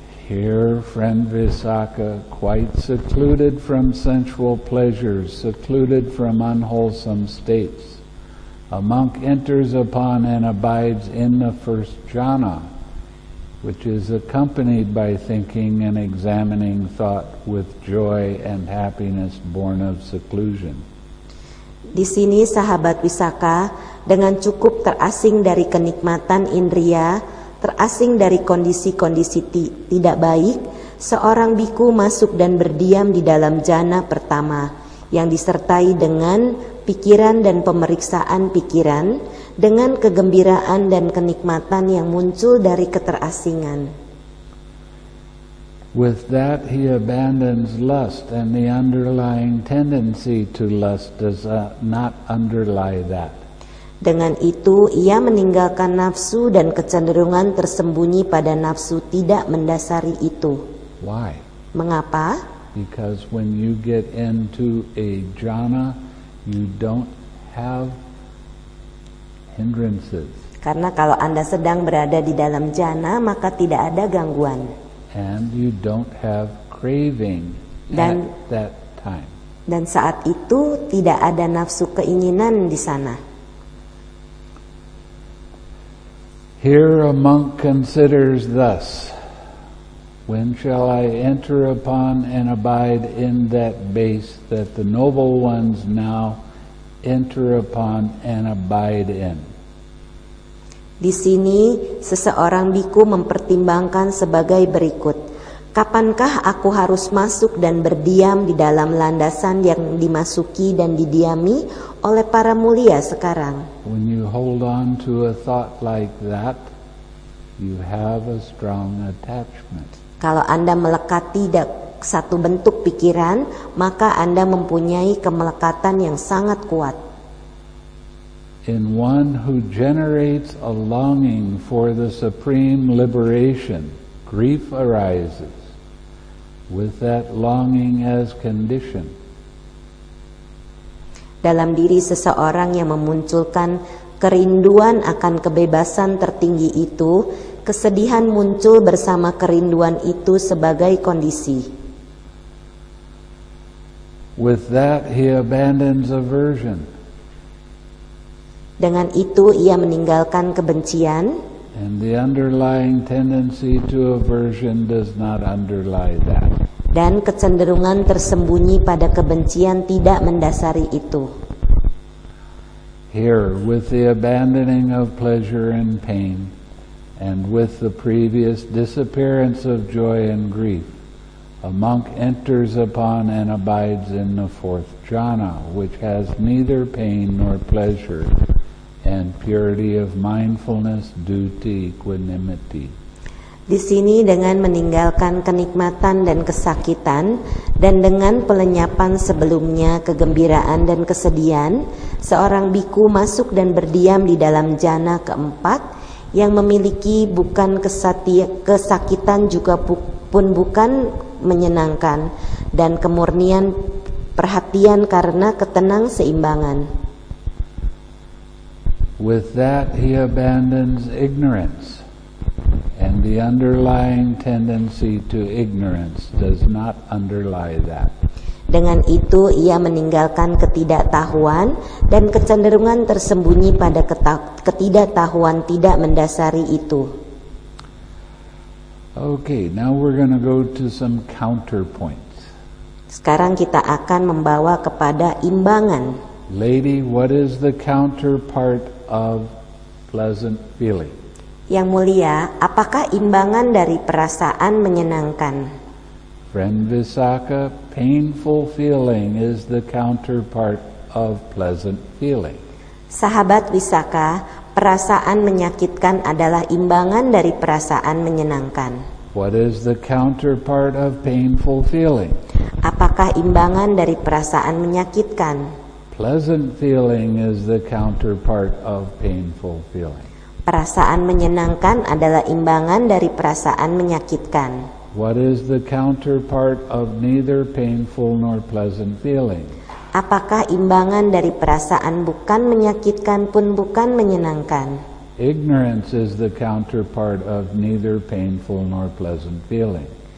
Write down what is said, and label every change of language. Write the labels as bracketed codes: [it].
[en] Here, friend Visakha, quite secluded from sensual pleasures, secluded from unwholesome states, a monk enters upon and abides in the first jhana, which is accompanied by thinking and examining thought with joy and happiness born of seclusion. [id] Di sini sahabat Visakha, dengan cukup terasing dari kenikmatan indria, terasing dari kondisi-kondisi tidak baik, seorang bhikkhu masuk dan berdiam di dalam jhana pertama, yang disertai dengan pikiran dan pemeriksaan pikiran, dengan kegembiraan dan kenikmatan yang muncul dari keterasingan. [en] With that he abandons lust, and the underlying tendency to lust does not underlie that. [id] Dengan itu ia meninggalkan nafsu dan kecenderungan tersembunyi pada nafsu tidak mendasari itu. [en] Why? [id] Mengapa? [en] Because when you get into a jhana, you don't have hindrances. [id] Karena kalau Anda sedang berada di dalam jhana, maka tidak ada gangguan. [en] And you don't have craving [id] dan, [en] at that time. [id] Dan saat itu tidak ada nafsu keinginan di sana. [en] Here a monk considers thus. When shall I enter upon and abide in that base that the noble ones now enter upon and abide in? [id] Di sini seseorang bhikkhu mempertimbangkan sebagai berikut. Kapankah aku harus masuk dan berdiam di dalam landasan yang dimasuki dan didiami oleh para mulia sekarang? [en] When you hold on to a thought like that, you have a strong attachment. [id] Kalau Anda melekati satu bentuk pikiran, maka Anda mempunyai kemelekatan yang sangat kuat. [en] in one who generates a longing for the supreme liberation, grief arises with that longing as condition. [id] Dalam diri seseorang yang memunculkan kerinduan akan kebebasan tertinggi itu, kesedihan muncul bersama kerinduan itu sebagai kondisi. [en] With that, he abandons aversion. [id] Dengan itu, ia meninggalkan kebencian. [en] And the underlying tendency to aversion does not underlie that. [id] Dan kecenderungan tersembunyi pada kebencian tidak mendasari itu. [en] Here, with the abandoning of pleasure and pain, and with the previous disappearance of joy and grief, a monk enters upon and abides in the fourth jhana, which has neither pain nor pleasure, and purity of mindfulness, duty, equanimity. [id] Di sini dengan meninggalkan kenikmatan dan kesakitan, dan dengan pelenyapan sebelumnya kegembiraan dan kesedihan, seorang bhikkhu masuk dan berdiam di dalam jhana keempat, yang memiliki bukan kesakitan juga pun bukan menyenangkan, dan kemurnian perhatian karena ketenang seimbangan. [en] With that he abandons ignorance, and the underlying tendency to ignorance does not underlie that. [id] Dengan itu ia meninggalkan ketidaktahuan, dan kecenderungan tersembunyi pada ketidaktahuan tidak mendasari itu. [en] Okay, now we're going to go to some counterpoints. [id] Sekarang kita akan membawa kepada imbangan. [en] Lady, what is the counterpart of pleasant feeling? [id] Yang mulia, apakah imbangan dari perasaan menyenangkan? [en] Friend Visakha, painful feeling is the counterpart of pleasant feeling. [id] Sahabat Visakha, perasaan menyakitkan adalah imbangan dari perasaan menyenangkan. [en] What is the counterpart of painful feeling? [id] Apakah imbangan dari perasaan menyakitkan? [en] Pleasant feeling is the counterpart of painful feeling. [id] Perasaan menyenangkan adalah imbangan dari perasaan menyakitkan. [en] What is the counterpart of neither painful nor pleasant feeling? [id] Apakah imbangan dari perasaan bukan menyakitkan pun bukan menyenangkan? [en] Ignorance is the counterpart of neither painful nor pleasant feeling.